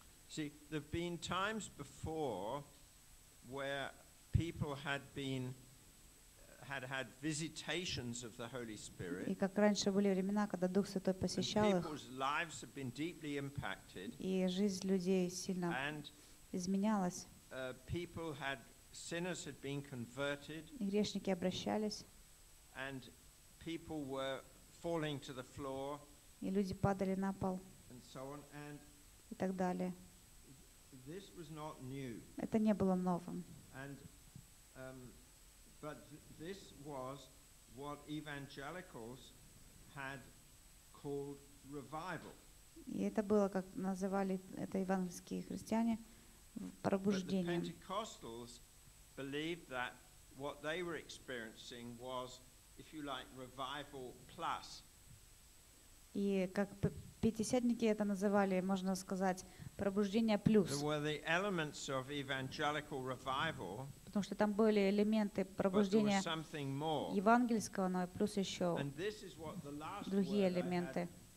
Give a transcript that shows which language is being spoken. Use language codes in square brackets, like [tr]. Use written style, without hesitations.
[en] See, there have been times before where people had visitations of the Holy Spirit. [ru] И как раньше были времена, когда Дух Святой посещал их. [en] People's lives have been deeply impacted. [ru] И жизнь людей сильно изменялась. [en] People had sinners had been converted. [ru] И грешники обращались. [en] And people were falling to the floor. [ru] И люди падали на пол. [en] And so on. And [ru] и так далее. [en] This was not new. [ru] Это не было новым. [en] And but this was what evangelicals had called revival. [ru] И это было, как называли это евангельские христиане, пробуждением. [en] But the Pentecostals believed that what they were experiencing was, if you like, revival plus. [ru] И как пятидесятники это называли, можно сказать, пробуждение плюс. [en] There were the elements of evangelical revival. [ru] Потому что там были элементы пробуждения евангельского, но плюс еще другие элементы.